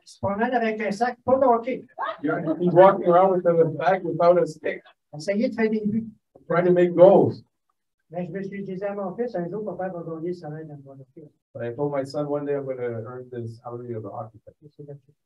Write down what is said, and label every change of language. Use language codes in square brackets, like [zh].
[fr] Se promène avec un sac, pas de hockey. [en] He's walking around with a bag without a stick. [fr] Essayez de faire des buts. [en] Trying to make goals. [fr] Mais je me suis dit à mon fils, un jour, papa va gagner le salaire d'un joueur de hockey. [en] But I told my son, one day I'm going to earn the salary of the hockey player.